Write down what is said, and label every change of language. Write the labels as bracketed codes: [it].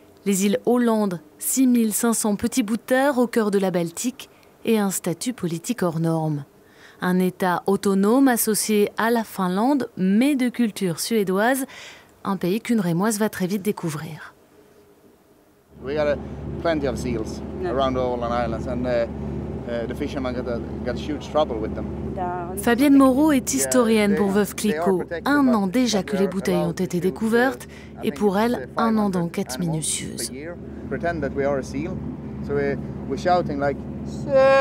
[fr] Les îles Åland, 6500 petits bouts de terre au cœur de la Baltique et un statut politique hors norme. Un État autonome associé à la Finlande, mais de culture suédoise, un pays qu'une Rémoise va très vite découvrir. [en] We got plenty of seals around all the islands, and the fishermen got huge trouble with them. [fr] Fabienne Moreau est historienne pour Veuve Clicquot. Un an déjà que les bouteilles ont été découvertes, et pour elle, un an d'enquête minutieuse. [en] Pretend that we are a seal, so we're shouting like seal.